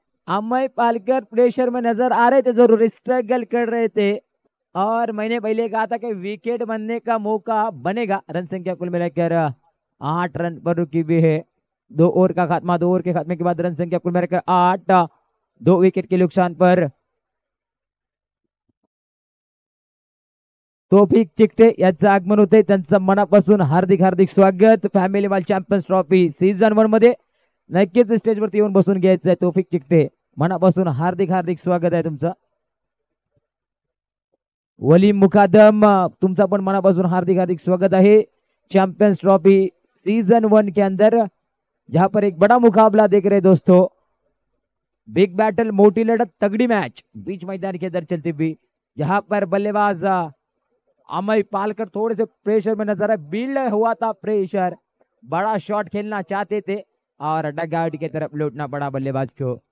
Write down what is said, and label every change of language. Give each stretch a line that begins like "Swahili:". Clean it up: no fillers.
Hindi: Amay Palkar pressure में नजर आ रहे थे, जरूर स्ट्रगल कर रहे थे और मैंने पहले कहा था कि विकेट बनने का मौका बनेगा। रन संख्या कुल मिलाकर 8 रन पर रुकी हुई है, दो ओवर का खात्मा, दो ओवर के खात्मे के बाद रन संख्या कुल मिलाकर 8, 2 विकेट के नुकसान पर।
Marathi: टॉपिक चिकटे याचं आगमन होते, त्यांचं मनापासून हार्दिक हार्दिक स्वागत फॅमिली वाल चॅम्पियन्स ट्रॉफी सीझन 1 मध्ये। नक्कीच स्टेज वरती येऊन बसून घ्यायचं आहे, टॉपिक चिकटे मनापासून हार्दिक हार्दिक स्वागत आहे तुमचं।
Hindi: वली मुकादम
Marathi: तुमचा पण मनापासून हार्दिक हार्दिक स्वागत आहे
Hindi: चॅम्पियन्स ट्रॉफी सीझन 1 के अंदर, जहां पर एक बड़ा मुकाबला देख रहे दोस्तों, बिग बैटल, मोटी लड़त, तगड़ी मैच बीच मैदान के अंदर चलती हुई, जहां पर बल्लेबाज अमय पालकर थोड़े से प्रेशर में नजर आए, बिल्ड हुआ था प्रेशर, बड़ा शॉट खेलना चाहते थे और डग आउट की तरफ लौटना पड़ा बल्लेबाज को।